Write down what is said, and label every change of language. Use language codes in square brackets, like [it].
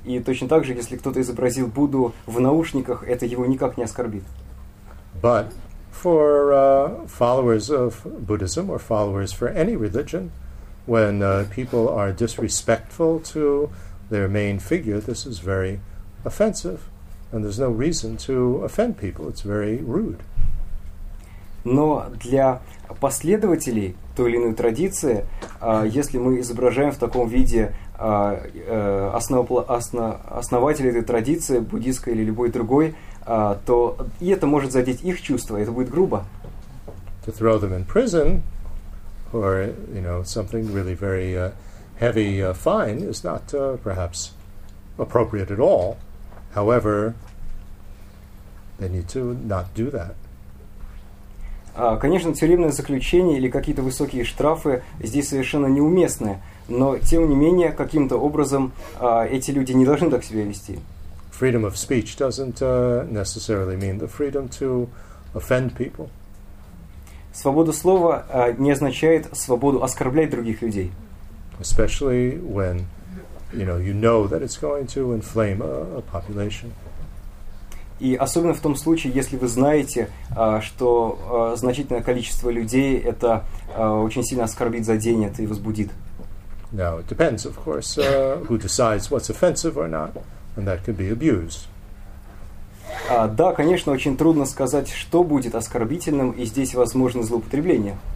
[ru] И точно так же, если кто-то изобразил Будду в наушниках, это его никак не оскорбит. [en] But for followers of Buddhism or followers for any religion, when people are disrespectful to their main figure, this is very offensive, and there's no reason to offend people. It's very rude. [ru] Но для последователей той или иной традиции, если мы изображаем в таком виде основателя этой традиции, буддийской или любой другой, то и это может задеть их чувства. Это будет грубо. [en] To throw them in prison, or you know something really very heavy fine, is not perhaps appropriate at all. However, they need to not do that. [ru] Конечно, тюремное заключение или какие-то высокие штрафы здесь совершенно неуместны, но тем не менее каким-то образом эти люди не должны так себя вести. [en] Freedom of speech doesn't necessarily mean the freedom to offend people. [ru] Свобода слова не означает свободу оскорблять других людей. [en] Especially when you know that it's going to inflame a population. [ru] И особенно в том случае, если вы знаете, что значительное количество людей это очень сильно оскорбит, заденет и возбудит. [en] Now it depends, of course, who decides what's offensive or not, and that could be abused. [ru] Да, конечно, очень трудно сказать, что будет оскорбительным, и здесь возможно злоупотребление.